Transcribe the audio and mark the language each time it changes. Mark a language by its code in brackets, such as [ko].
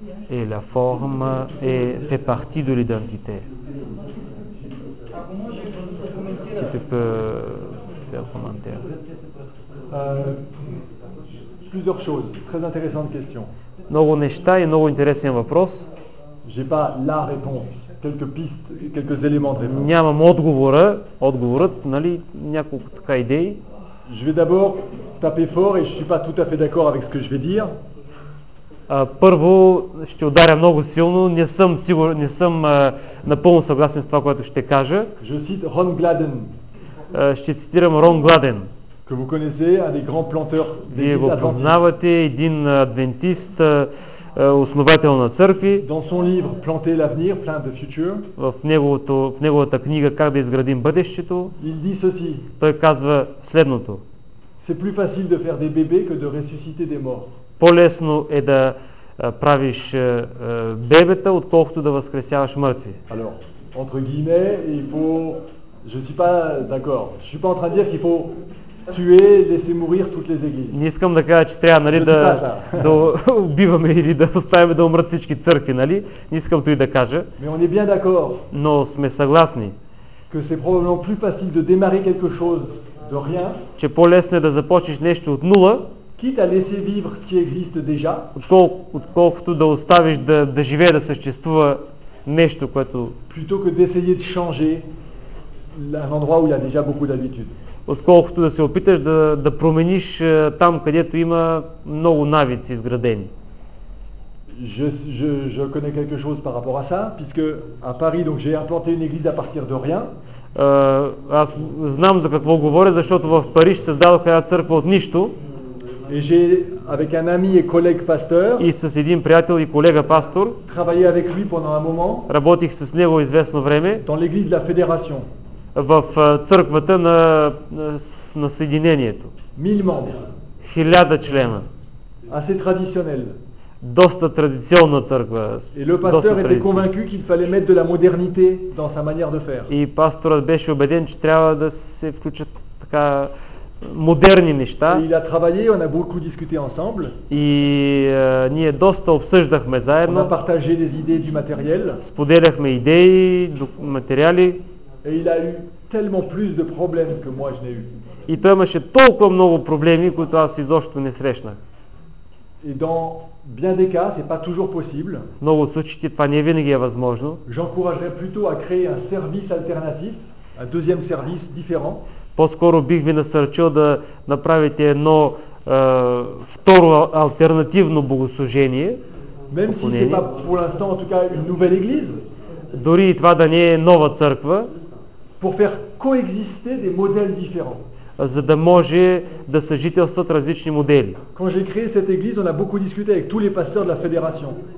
[fr] Et la forme fait partie de l'identité. Si tu peux faire un commentaire. Plusieurs choses. Très intéressante question. [bg] Много неща и много интересен въпрос. [fr] J'ai pas la réponse. quelques pistes [bg] и [fr] quelques éléments de réponse. [bg] Нямам отговора, нали, няколко така идеи. [fr] Je vais d'abord taper fort et je suis pas tout à fait d'accord avec ce que je vais dire. [bg] Първо ще ударя много силно, не съм сигурен, не съм напълно съгласен с това, което ще кажа. [fr] Je cite Ron Gladden. [bg] Ще цитирам Рон Гладен. [fr] Que vous connaissez, un des grands planteurs des [bg] Вие го познавате, един адвентист, основател на църкви. [fr] Dans son livre Planter l'avenir, plein de future. [bg] В неговата книга Как да изградим бъдещето. [fr] Il dit ceci. [bg] Той казва следното. [fr] C'est plus facile de faire des bébés que de ressusciter des morts. [bg] По-лесно е да правиш бебета, отколкото да възкресяваш мъртви. [fr] Alors, entre guillemets, il faut je suis pas d'accord. Je suis pas en train de dire qu'il faut tuer, laisser mourir toutes les églises. [bg] Не искам да кажа, че трябва, нали, да убиваме или да оставяме да умрат всички църкви, нали? Не искам това и да кажа. [fr] Mais on est bien d'accord. [bg] Но сме съгласни. [fr] Que c'est probablement plus facile de démarrer quelque chose de rien. [bg] Че по-лесно е да започнеш нещо от нула. [fr] Quitte à laisser vivre ce qui existe déjà. [bg] Отколкото да оставиш да живее, да съществува нещо, което... [fr] Plutôt que d'essayer de changer un endroit où il y a déjà beaucoup d'habitude. [bg] Отколкото да се опиташ да промениш там, където има много навици изградени. [fr] Je connais quelque chose par rapport à ça, puisque à Paris, donc j'ai implanté une église à partir de rien. [bg] Аз знам за какво говоря, защото в Париж създадох една църква от нищо. [fr] Et j'ai avec un ami et collègue pasteur. [bg] И с един приятел и колега пастор. [fr] Travaillé avec lui pendant un moment. [bg] Работих с него известно време. [fr] Dans l'église de la Fédération. [bg] В църквата на съединението. [fr] 1000 membres. [bg] 1000 члена. [fr] Assez traditionnel. [bg] Доста традиционна църква. [fr] Et le pasteur était convaincu qu'il fallait mettre de la modernité dans sa manière de faire. [bg] И пасторът беше убеден, че трябва да се включат така модерни неща. [fr] Il a travaillé, on a beaucoup discuté ensemble. [bg] И ние доста обсъждахме заедно. [fr] On a partagé des idées du matériel. [bg] Споделяхме идеи, материали. [fr] Et il a eu tellement plus de problèmes que moi je n'ai eu. [bg] И той имаше толкова много проблеми, които аз изобщо не срещнах. [fr] Et dans bien des cas, c'est pas toujours possible. [bg] Много случаи това не винаги е възможно. [fr] J'encouragerais plutôt à créer un service alternatif, un deuxième service différent. [bg] По-скоро бих ви насърчил да направите едно второ алтернативно богослужение. [fr] Même si c'est pas pour l'instant en tout cas une nouvelle église. [bg] Дори и това да не е нова църква. [fr] Pour faire coexister des modèles différents. [bg] За да може да съжителстват различни модели. [fr] Quand j'ai créé cette église, on a beaucoup discuté avec tous les pasteurs de la fédération.